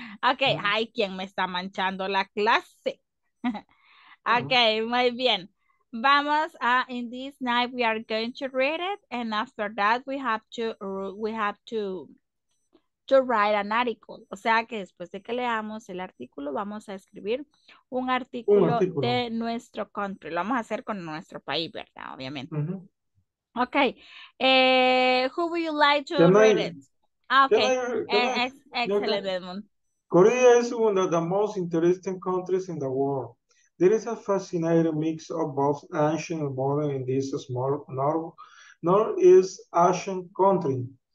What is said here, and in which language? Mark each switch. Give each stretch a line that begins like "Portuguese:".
Spanish: Okay, ay, ¿quién me está manchando la clase? Okay, muy bien. Vamos a,
English: in this night we are going to read it, and after that we have to write an article.
Spanish: O sea que después de que leamos el artículo, vamos a escribir un artículo de nuestro country. Lo vamos a hacer con nuestro país, ¿verdad? Obviamente. Mm-hmm.
English: Okay, who would you like to read it? Okay, excellent. Korea is one of the most interesting countries in the world. There is a fascinating mix of both ancient and modern in this small northeast Asian country.